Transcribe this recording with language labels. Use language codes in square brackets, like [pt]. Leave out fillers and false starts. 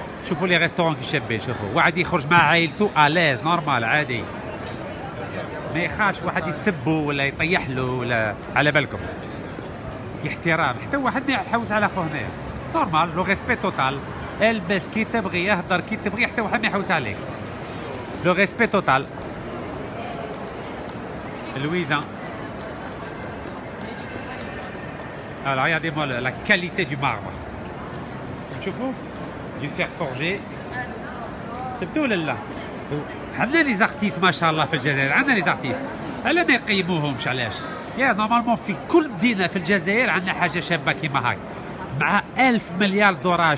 [ar] شوفوا لي ريستورون كي شابين، شوفوا واحد يخرج مع عائلته أليز نورمال عادي، ما يخافش واحد يسبه ولا يطيح له ولا، على بالكم احترام، حتى واحد ما يحوس على خوه هنايا نورمال، لو ريسبي توتال، البس كي تبغي اهضر كي تبغي، حتى واحد ما يحوس عليك، لو ريسبي توتال. [fr] لويزا alors regardez moi la qualité du marbre. [ar] شوفوا دي فير فورجي شفتوا ولا لا؟ عندنا لي زارتيست ما شاء الله في الجزائر، عندنا لي زارتيست الا ما يقيموهمش، علاش يا نورمالمون في كل مدينه في الجزائر عندنا حاجه شابه كيما هاك مع 1000 مليار دولار.